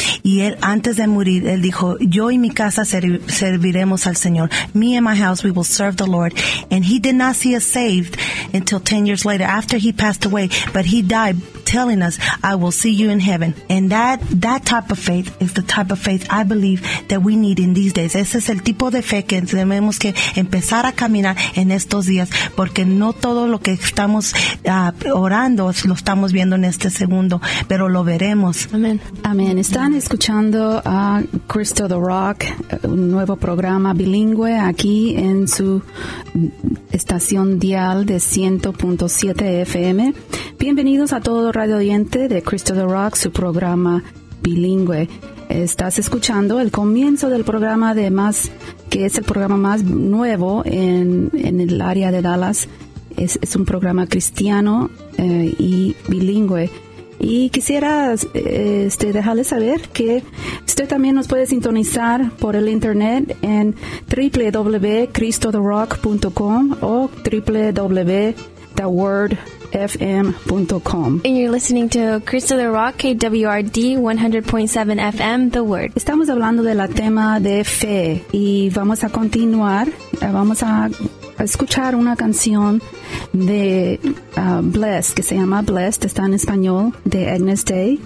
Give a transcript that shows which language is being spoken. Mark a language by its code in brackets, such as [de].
[es] Y él, antes de morir, él dijo, yo y mi casa serviremos al Señor. [en] Me and my house, we will serve the Lord. And he did not see us saved until 10 years later, after he passed away. But he died telling us, I will see you in heaven. And that type of faith is the type of faith I believe that we need in these days. [es] Ese es el tipo de fe que tenemos que empezar a caminar en estos días, porque no todo lo que estamos orando lo estamos viendo en este segundo, pero lo veremos. Amén. Amén. Están escuchando a Crystal the Rock, un nuevo programa bilingüe aquí en su estación dial de 100.7 FM. Bienvenidos a todo radio oyente de Crystal the Rock, su programa bilingüe. Estás escuchando el comienzo del programa de más, que es el programa más nuevo en el área de Dallas. Es un programa cristiano y bilingüe. Y quisiera dejarles saber que usted también nos puede sintonizar por el internet en www.cristotherock.com o www.thewordfm.com. [en] And you're listening to Crystal the Rock, KWRD 100.7 FM, The Word. [es] Estamos hablando del tema de fe y vamos a continuar. Vamos a escuchar una canción de Blessed, que se llama Blessed, está en español, de Agnes Day.